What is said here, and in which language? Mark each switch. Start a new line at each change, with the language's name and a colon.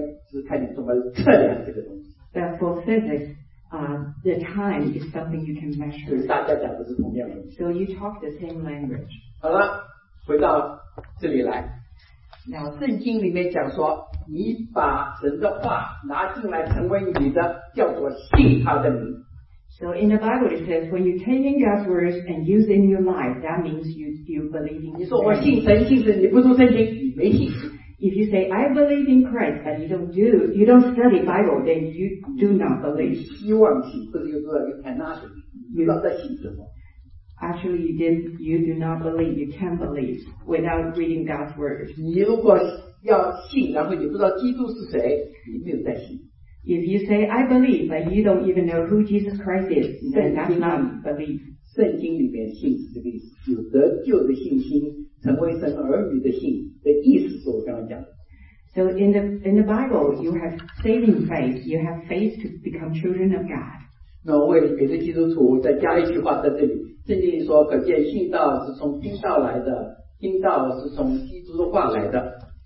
Chinese: 这个不是这样讲的，讲的什么？物理学家的时间是看你怎么测量这个东西。
English: But for physics, the time is something you can measure.
Chinese: 大家讲的是同样的。
English: So you talk the same language.
Chinese: 好了，回到这里来。那圣经里面讲说，你把神的话拿进来成为你的，叫做信他的名。
English: So in the Bible it says, when you take in God's words and use it in your life, that means you believe in.
Chinese: 你说我信神，信神，你不读圣经，你没信。
English: If you say I believe in Christ, but you don't study Bible, then you do not believe.
Chinese: 希望信，不是有多少个 cannot， 你老在信什么？
English: Actually, you do not believe, you can't believe without reading God's word.
Chinese: 你如果要信，然后你不知道基督是谁，你没有在信。
English: If you say, I believe, but you don't even know who Jesus Christ is, then that's not belief.
Chinese: 圣经里面信是这个意思，有得救的信心，成为神儿女的信的意思，是我刚刚讲的。
English: So in the Bible, you have saving faith, you have faith to become children of God.
Chinese: 那我为别的基督徒再加一句话在这里。圣经里说，可见信道是从听道来的，听道是从基督的话来的。